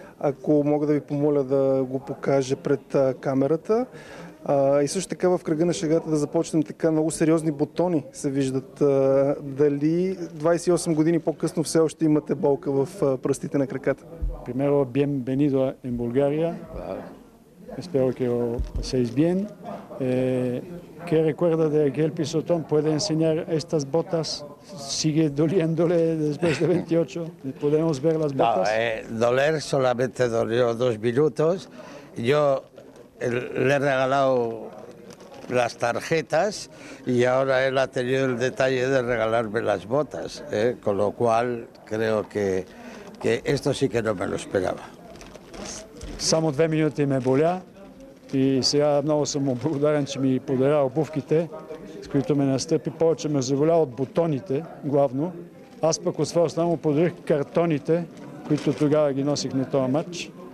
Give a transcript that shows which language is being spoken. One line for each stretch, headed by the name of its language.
Bulgarian: Ако мога да ви помоля да го покажа пред камерата. И също така в кръга на шегата да започнем, така много сериозни бутони се виждат. Дали 28 години по-късно все още имате болка в пръстите на краката? Примерно, bienvenido en България.
Spanish: Espero que lo paséis bien. ¿Qué recuerda de aquel pisotón? ¿Puede enseñar estas botas? ¿Sigue doliéndole después de 28? ¿Podemos ver las botas? No, doler solamente dolió dos minutos. Yo le he regalado las tarjetas y ahora él ha tenido el detalle de regalarme las botas. Con lo cual creo que esto sí que no me lo esperaba.
Bulgarian: Само две минути ме боля и сега много съм благодарен, че ми подаря обувките, с които ме настъпи. Повече ме заболя от бутоните, главно. Аз пък от своя страна му подарих картоните, които тогава ги носих на този матч.